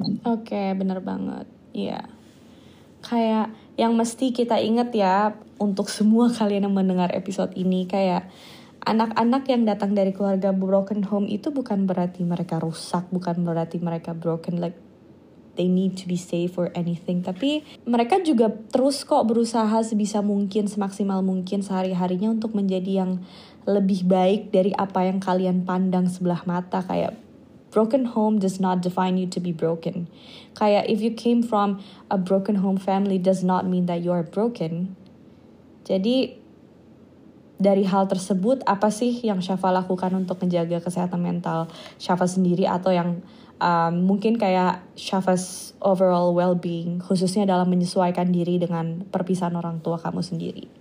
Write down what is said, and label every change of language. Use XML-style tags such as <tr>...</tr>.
<id>Oke, benar banget. Iya. Kayak yang mesti kita ingat ya, untuk semua kalian yang mendengar episode ini, kayak anak-anak yang datang dari keluarga broken home itu bukan berarti mereka rusak, bukan berarti mereka broken,</id> <en>like they need to be safe or anything.</en> <id>Tapi mereka juga terus kok berusaha sebisa mungkin, semaksimal mungkin sehari-harinya untuk menjadi yang lebih baik dari apa yang kalian pandang sebelah mata. Kayak</id> <en>broken home does not define you to be broken.</en> <id>Kayak</id> <en>if you came from a broken home family does not mean that you are broken.</en> <id>Jadi dari hal tersebut, apa sih yang Syafa lakukan untuk menjaga kesehatan mental Syafa sendiri, atau yang mungkin kayak</id> <en>Syafa's overall well-being,</en> <id>khususnya dalam menyesuaikan diri dengan perpisahan orang tua kamu sendiri?</id>